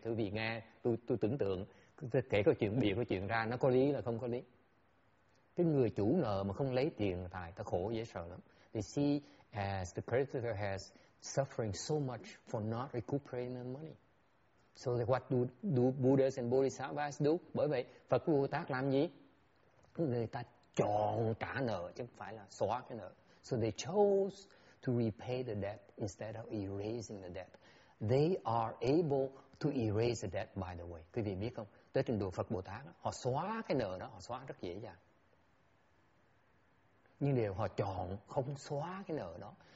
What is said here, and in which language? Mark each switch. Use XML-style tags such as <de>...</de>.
<vi>Thưa vị nghe, tôi tưởng tượng, tôi kể câu chuyện, bịa câu chuyện ra, nó có lý là không có lý. Cái người chủ nợ mà không lấy tiền tài, ta khổ dễ sợ lắm.</vi> <en>They see as the creditor has suffering so much for not recuperating the money. So what do Buddhas and Bodhisattvas do?</en> <vi>Bởi vậy, Phật Bồ Tát làm gì? Người ta chọn trả nợ, chứ không phải là xóa cái nợ.</vi> <en>So they chose to repay the debt instead of erasing the debt. They are able to erase the debt, by the way.</en> <vi>Quý vị biết không? Tới trình độ Phật Bồ Tát, họ xóa cái nợ đó, họ xóa rất dễ dàng. Nhưng điều họ chọn không xóa cái nợ đó.</vi>